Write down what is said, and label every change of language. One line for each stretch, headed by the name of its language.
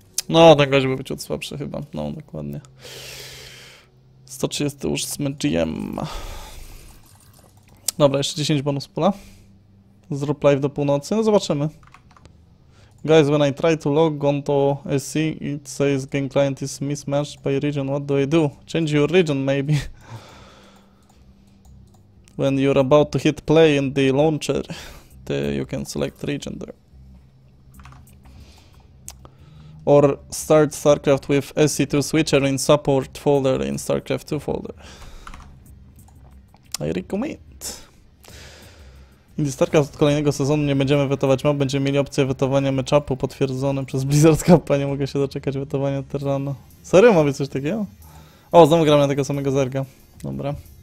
Polish: No, ten gość by być od słabszy chyba. No, dokładnie. 138 GM. Dobra, jeszcze 10 bonus pula. Zrób live do północy, no zobaczymy.
English: Guys, when I try to log on to SC, it says game client is mismatched by region. What do I do? Change your region, maybe. When you're about to hit play in the launcher, the, you can select region there. Or start StarCraft with SC2 switcher in support folder in StarCraft 2 folder. I recommend. In the StarCraft
Polish: od kolejnego sezonu nie będziemy wetować map, będziemy mieli opcję wetowania matchupu potwierdzone przez Blizzard Cup, a nie mogę się doczekać wetowania Terrana. Serio, ma być coś takiego? O, znowu gramy na tego samego Zerga. Dobra.